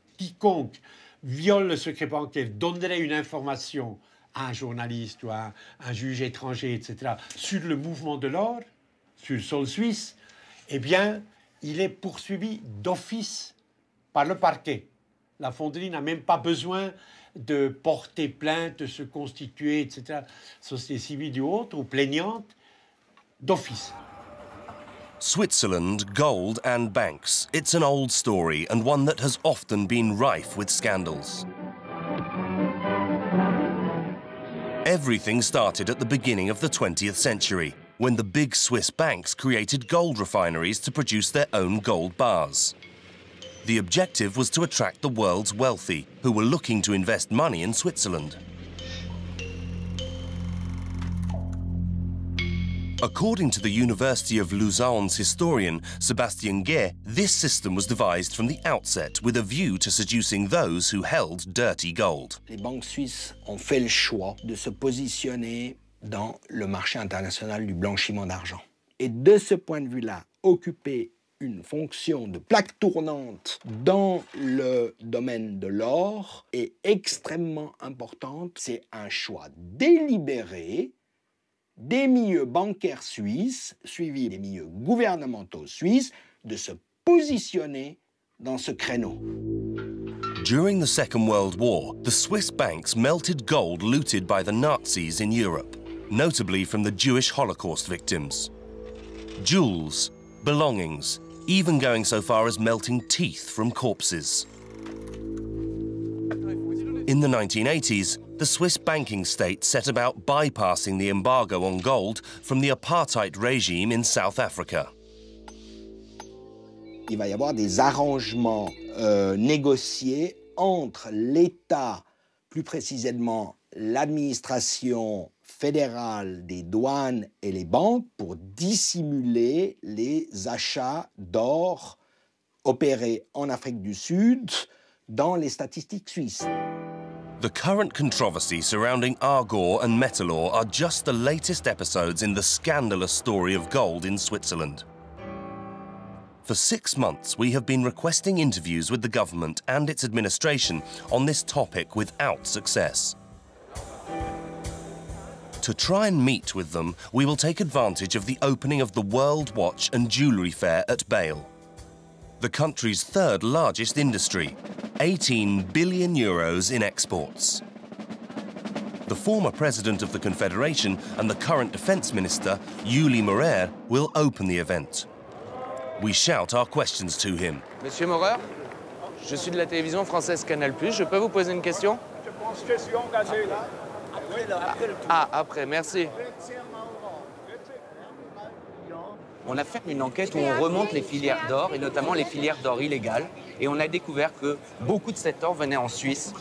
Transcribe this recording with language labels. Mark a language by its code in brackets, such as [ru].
[fr] Quiconque viole le secret bancaire, donnerait une information à un journaliste ou à un juge étranger, etc., sur le mouvement de l'or, sur le sol suisse, eh bien, il est poursuivi d'office par le parquet. La fonderie n'a même pas besoin de porter plainte, de se constituer, etc., société civile ou autre, ou plaignante, d'office. [en] Switzerland, gold and banks. It's an old story and one that has often been rife with scandals. Everything started at the beginning of the 20th century when the big Swiss banks created gold refineries to produce their own gold bars. The objective was to attract the world's wealthy who were looking to invest money in Switzerland. According to the University of Lausanne's historian, Sebastian Guay, this system was devised from the outset with a view to seducing those who held dirty gold. [fr] Les banques suisses ont fait le choix de se positionner dans le marché international du blanchiment d'argent. Et de ce point de vue-là, occuper une fonction de plaque tournante dans le domaine de l'or est extrêmement importante. C'est un choix délibéré. Des milieux bancaires suisses, suivis des milieux gouvernementaux suisses, de se positionner dans ce créneau. [en] During the Second World War, the Swiss banks melted gold looted by the Nazis in Europe, notably from the Jewish Holocaust victims. Jewels, belongings, even going so far as melting teeth from corpses. In the 1980s, the Swiss banking state set about bypassing the embargo on gold from the apartheid regime in South Africa. [fr] Il va y avoir des arrangements négociés entre l'État, plus précisément l'administration fédérale des douanes et les banques pour dissimuler les achats d'or opérés en Afrique du Sud dans les statistiques suisses. [en] The current controversy surrounding Argor and Metalor are just the latest episodes in the scandalous story of gold in Switzerland. For 6 months, we have been requesting interviews with the government and its administration on this topic without success. To try and meet with them, we will take advantage of the opening of the World Watch and Jewelry Fair at Bale. The country's third largest industry, 18 billion euros in exports. The former president of the Confederation and the current defense minister, Yuli Maurer, will open the event. We shout our questions to him. [fr] Monsieur Maurer, je suis de la télévision française Canal+. Je peux vous poser une question? Je pense que je suis engagé là. Après, merci. On a fait une enquête où on remonte les filières d'or, et notamment les filières d'or illégales, et on a découvert que beaucoup de cet or venait en Suisse.